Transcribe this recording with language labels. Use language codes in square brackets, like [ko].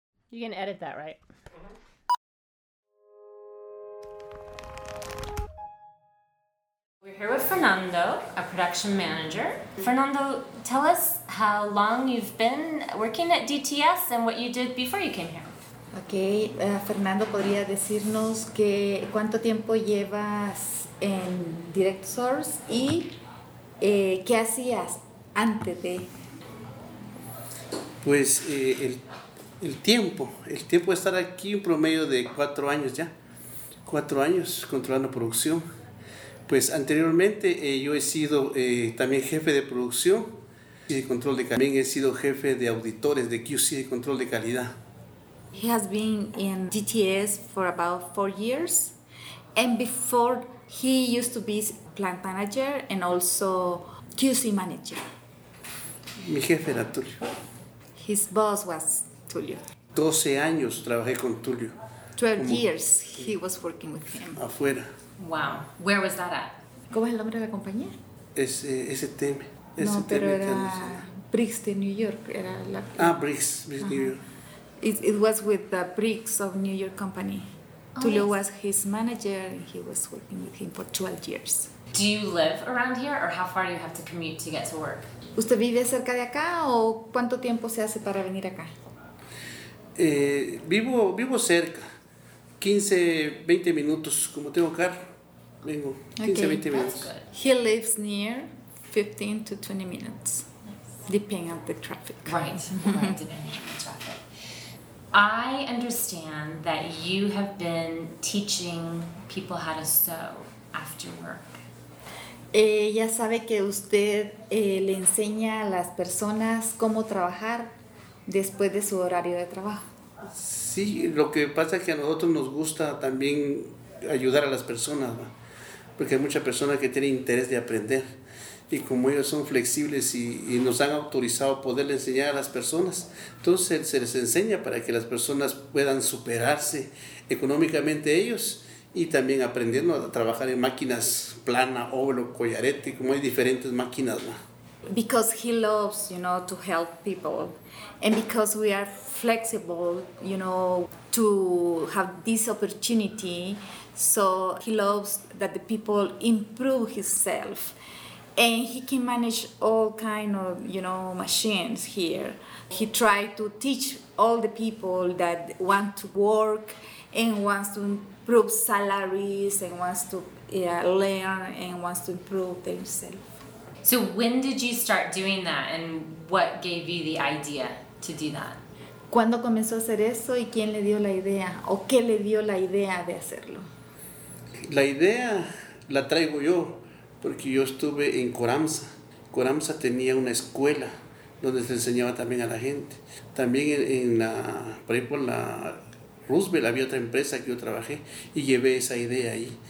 [en] You can edit that, right? We're here with Fernando, a production manager. Fernando, tell us how long you've been working at DTS and what you did before you came here. [es] Okay, Fernando, ¿podría decirnos que cuánto tiempo llevas en Direct Source y qué hacías antes de? Pues el tiempo de estar aquí, un promedio de 4 años ya. 4 años controlando producción. Pues anteriormente yo he sido también jefe de producción y de control de calidad. También he sido jefe de auditores de QC y control de calidad. [en] He has been in DTS for about 4 years. And before, he used to be plant manager and also QC manager. [es] Mi jefe era Tulio. [en] His boss was Tulio. [es] 12 años trabajé con Tulio. [en] 12 years he was working with him. [es] Afuera. [en] Wow, where was that at? [es] ¿Cómo es el nombre de la compañía? STM. No, pero era Briggs de New York. Era la... Ah, Briggs New York. [en] It was with the Briggs of New York Company. Oh, Tulio was his manager, and he was working with him for 12 years. Do you live around here, or how far do you have to commute to get to work? [es] ¿Usted vive cerca de acá, o cuánto tiempo se hace para venir acá? Vivo cerca. 15-20 minutos, como tengo carro, vengo, 15-20 okay, minutos. [en] He lives near 15 to 20 minutes, depending on the traffic. Right, depending on the traffic. I understand that you have been teaching people how to sew after work. [es] Ella sabe que usted le enseña a las personas cómo trabajar después de su horario de trabajo. Sí, lo que pasa es que a nosotros nos gusta también ayudar a las personas, ¿no? Porque hay muchas personas que tienen interés de aprender y como ellos son flexibles y nos han autorizado poder enseñar a las personas, entonces se les enseña para que las personas puedan superarse económicamente ellos y también aprendiendo a trabajar en máquinas plana, óvalo, collarete, como hay diferentes máquinas, ¿no? [en] Because he loves, you know, to help people. And because we are flexible, you know, to have this opportunity. So he loves that the people improve himself. And he can manage all kind of, you know, machines here. He tried to teach all the people that want to work and wants to improve salaries and wants to learn and wants to improve themselves. So when did you start doing that, and what gave you the idea to do that? [es] ¿Cuándo comenzó a hacer eso y quién le dio la idea o qué le dio la idea de hacerlo? La idea la traigo yo porque yo estuve en Coramsa. Coramsa tenía una escuela donde se enseñaba también a la gente. También en la, por ejemplo, la Roosevelt había otra empresa que yo trabajé y llevé esa idea ahí.